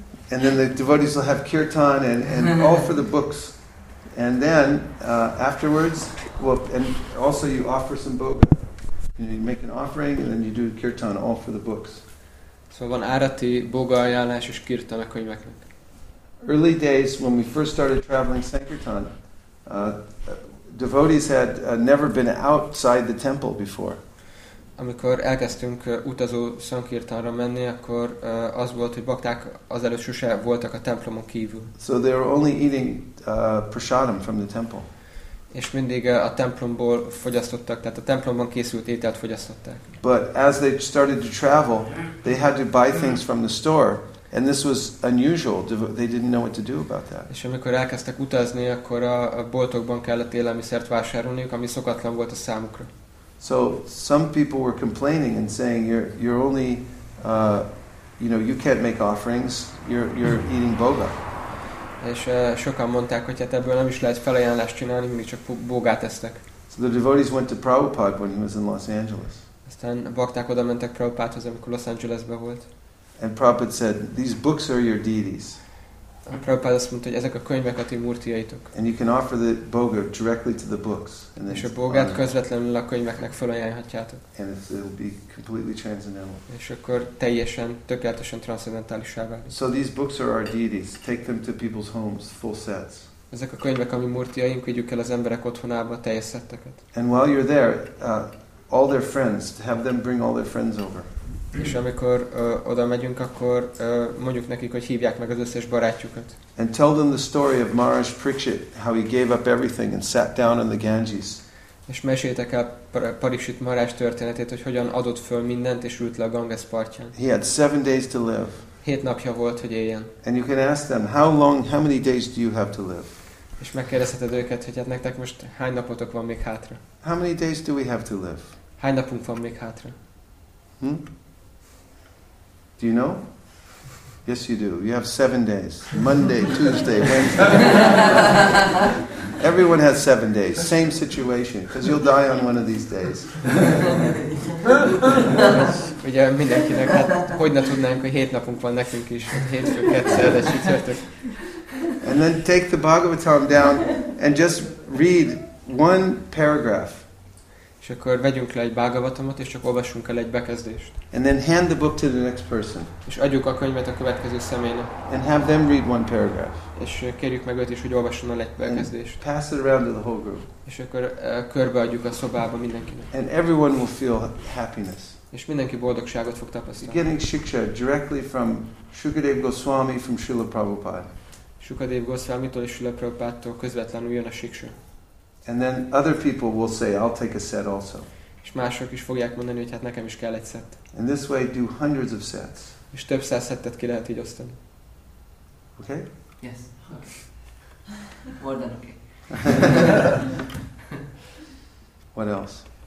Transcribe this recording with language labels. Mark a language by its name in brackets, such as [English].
[English] And then the devotees will have kirtan and all for the books. And then afterwards, well, and also you offer some bhoga. You make an offering and then you do kirtan all for the books. [Hungarian] Szóval van árati, boga ajánlás és kirtana könyveknek. [English] Early days when we first started traveling Sankirtan, devotees had never been outside the temple before. [Hungarian] Amikor elkezdtünk utazó Sankirtanra menni, akkor az volt, hogy bakták azelőtt sose voltak a templomon kívül. [English] So they were only eating prasadam from the temple. [Hungarian] És mindig a templomból fogyasztottak, tehát a templomban készült ételt fogyasztották. [English] But as they started to travel, they had to buy things from the store. And this was unusual. They didn't know what to do about that. [Hungarian] És amikor elkezdtek utazni, akkor a boltokban kellett élelmiszert vásárolniuk, ami szokatlan volt a számukra. [English] So some people were complaining and saying, you're only, you know, you can't make offerings. You're eating boga. [Hungarian] És sokan mondták, hogy hát ebből nem is lehet felajánlást csinálni, mindig csak bogát esztek. [English] So the devotees went to Prabhupada when he was in Los Angeles. [Hungarian] Aztán a bakták oda mentek Prabhupádhoz, amikor Los Angelesben volt. [English] And Prabhupada said, these books are your deities. [Hungarian] Prabhupada azt mondta, hogy ezek a könyvek a ti murtiaitok. [English] And you can offer the boga directly to the books. And [Hungarian] és a bogát közvetlenül a könyveknek felajánlhatjátok. [English] And it will be completely transcendental. [Hungarian] És akkor teljesen, tökéletesen transzendentálissá válik. [English] So these books are our deities. Take them to people's homes, full sets. [Hungarian] Ezek a könyvek a mi murtiaink, vigyük el az emberek otthonába a teljes szetteket. [English] And while you're there, all their friends, have them bring all their friends over. [Hungarian] És amikor oda megyünk, akkor mondjuk nekik, hogy hívják meg az összes barátjukat. [English] And tell them the story of Maharaj Parikshit, how he gave up everything and sat down on the Ganges. [Hungarian] És meséltek el Parikshit Maharaj történetét, hogy hogyan adott föl mindent és ült le a Ganges partján. [English] He had 7 days to live. [Hungarian] 7 napja volt, hogy éljen. [English] And you can ask them, how many days do you have to live? [Hungarian] És megkérdezheted őket, hogy hát nektek most hány napotok van még hátra? [English] How many days do we have to live? [Hungarian] Hány napunk van még hátra? [English] Do you know? Yes, you do. You have 7 days. Monday, Tuesday, Wednesday. Everyone has 7 days. Same situation. Because you'll die on one of these days. [Hungarian] Ugye mindenkinek, hát hogy ne tudnánk, hogy 7 napunk van nekünk is. Hétfők, kettszer, de csütörtök. [English] And then take the Bhagavatam down and just read one paragraph. [Hungarian] És akkor vegyünk le egy Bhagavatamot, és csak olvassunk el egy bekezdést. [English] And then hand the book to the next person. [Hungarian] És adjuk a könyvet a következő személynek. [English] And have them read one paragraph. [Hungarian] És kérjük meg őt is, hogy olvasson el egy bekezdést. [English] And pass it around to the whole group. [Hungarian] És akkor körbeadjuk a szobába mindenkinek. [English] And everyone will feel happiness. [Hungarian] És mindenki boldogságot fog tapasztalni. [English] Getting Shiksha directly from Shukadev Goswami from Srila Prabhupada. [Hungarian] Shukadev Goswamitól és Srila Prabhupádtól közvetlenül jön a Shiksha. [English] And then other people will say, I'll take a set also. [Hungarian] És mások is fogják mondani, hogy hát nekem is kell egy set. [English] And this way do hundreds of sets. [Hungarian] És több száz szettet ki lehet így osztani. [English] Okay? Yes. Okay. More than okay. What else?